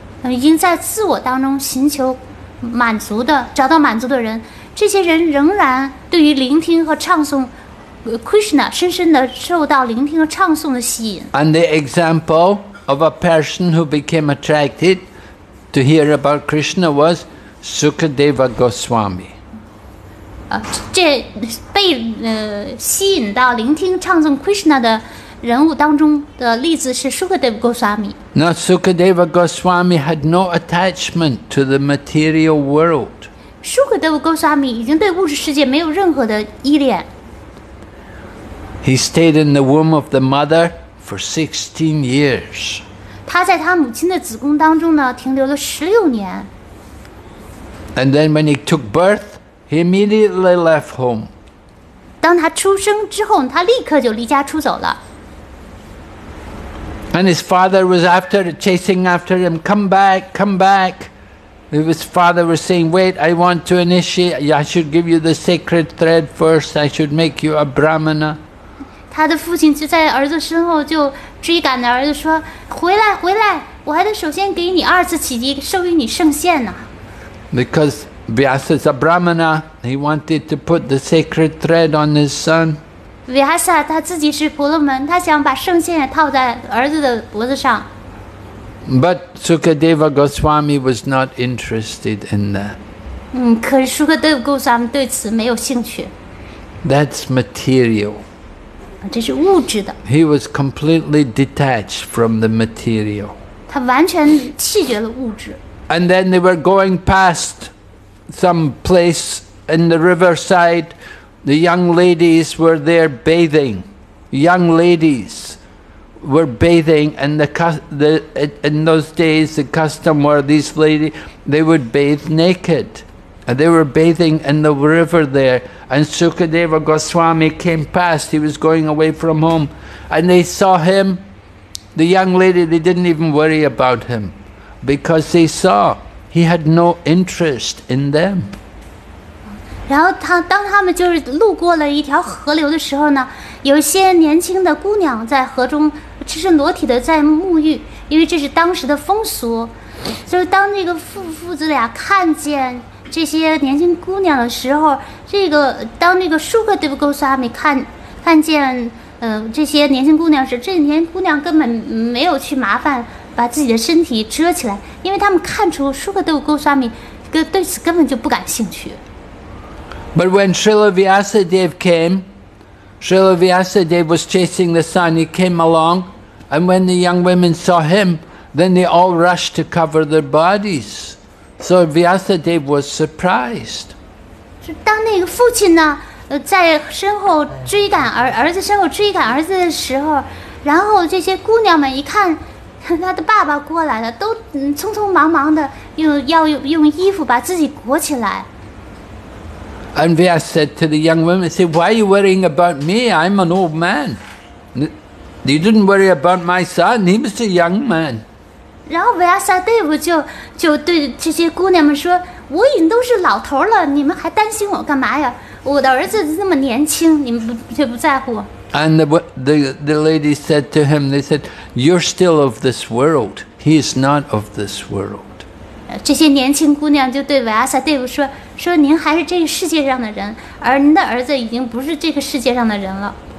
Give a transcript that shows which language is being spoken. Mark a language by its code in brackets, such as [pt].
[zh] 已经在自我当中寻求满足的找到满足的人，这些人仍然对于聆听和唱诵 Krishna 深深地受到聆听和唱诵的吸引。 [en] And the example of a person who became attracted to hear about Krishna was Sukadeva Goswami. [zh] 这被吸引到聆听唱诵 Krishna 的人物当中的例子是 Sukadeva Goswami。 [en] Now Sukadeva Goswami had no attachment to the material world. [zh] Sukadeva Goswami 已经对物质世界没有任何的依恋。 [en] He stayed in the womb of the mother for 16 years. [zh] 他在他母亲的子宫当中呢停留了16年。 [en] And then when he took birth, he immediately left home. [zh] 当他出生之后他立刻就离家出走了。 [en] And his father was after chasing after him, come back, come back. His father was saying, wait, I want to initiate, I should give you the sacred thread first, I should make you a brahmana. [zh] 他的父亲就在儿子身后就追赶着儿子说，回来，回来，我还得首先给你二次起乩，授予你圣限呢。 [en] Because Vyasa is a brahmana, he wanted to put the sacred thread on his son. [zh] Vyasa 他自己是婆罗门，他想把圣线套在儿子的脖子上。 [en] But Sukadeva Goswami was not interested in that. [zh] 可是 Sukadeva Goswami 对此没有兴趣。 [en] That's material. [zh] 这是物质的。 [en] He was completely detached from the material. [zh] 他完全弃绝了物质。 [en] And then they were going past some place in the riverside. The young ladies were there bathing. Young ladies were bathing, and in those days the custom were these ladies, they would bathe naked. And they were bathing in the river there. And Sukadeva Goswami came past, he was going away from home. And they saw him, the young lady, they didn't even worry about him. Because they saw he had no interest in them. [zh] 然后当他们就是路过了一条河流的时候呢，有些年轻的姑娘在河中赤身裸体的在沐浴，因为这是当时的风俗。就是当那个父子俩看见这些年轻姑娘的时候，当那个Sukadeva Goswami看见这些年轻姑娘时，这些年轻姑娘根本没有去麻烦把自己的身体遮起来，因为他们看出Sukadeva Goswami对此根本就不感兴趣。 [en] But when Srila Vyasadeva came, Srila Vyasadeva was chasing the sun, he came along, and when the young women saw him, then they all rushed to cover their bodies. So Vyasadeva was surprised. [zh] 当那个父亲呢，在身后追赶儿子身后追赶儿子的时候，然后这些姑娘们一看他的爸爸过来了，都匆匆忙忙的用衣服把自己裹起来。 [en] And Vyas said to the young women, said, why are you worrying about me? I'm an old man. You didn't worry about my son. He was a young man. [zh] 然后 Vyasadeva 就对这些姑娘们说，我已经都是老头了，你们还担心我干嘛呀？我的儿子那么年轻，你们却不在乎。 [en] And the lady said to him, they said, you're still of this world. He is not of this world. [zh] 这些年轻姑娘就对 Vyasadeva 说您还是这个世界上的人，而您的儿子已经不是这个世界上的人了。